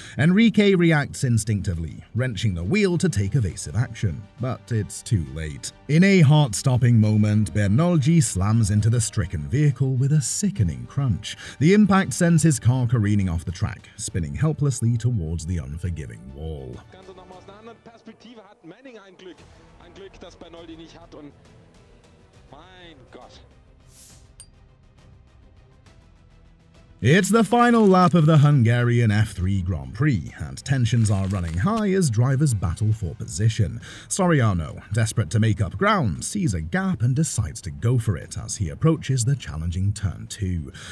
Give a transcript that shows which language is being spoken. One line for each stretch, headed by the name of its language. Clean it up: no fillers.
English: Enrique reacts instinctively, wrenching the wheel to take evasive action. But it's too late. In a heart-stopping moment, Bernoldi slams into the stricken vehicle with a sickening crunch. The impact sends his car careening off the track, spinning helplessly towards the unforgiving wall.
German: Ganz noch mal aus einer anderen Perspektive hat Manning ein Glück, das Bernoldi nicht hat, und mein Gott.
English: It's the final lap of the Hungarian F3 Grand Prix, and tensions are running high as drivers battle for position. Soriano, desperate to make up ground, sees a gap and decides to go for it as he approaches the challenging turn 2.